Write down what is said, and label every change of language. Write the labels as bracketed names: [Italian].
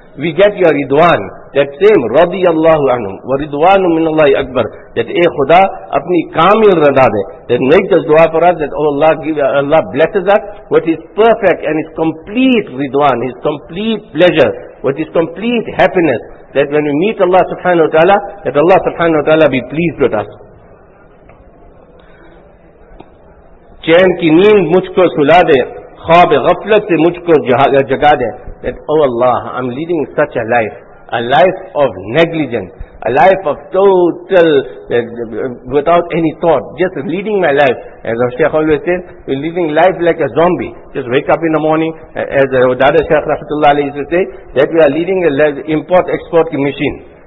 [English] We get your ridwan. That same, [Arabic] radiyallahu anhum, wa ridwanum minallahi akbar, [English] that [Urdu] eh khuda, apni kamil rada de, [English] that make this dua for us, that oh Allah, give, Allah blesses us with his perfect and his complete ridwan, his complete pleasure, with his complete happiness, that when we meet Allah subhanahu wa ta'ala, that Allah subhanahu wa ta'ala be pleased with us. [Urdu] چین کی نیند مجھ کو سلا دے, خواب غفلت سے مجھ کو جگا دے. [English] That oh Allah, I'm leading such a life of negligence, a life of total, without any thought, just leading my life. As our Shaykh always says, we're living life like a zombie. Just wake up in the morning, as our Dada Shaykh Rahmatullah Ali used to say, that we are leading a import-export machine.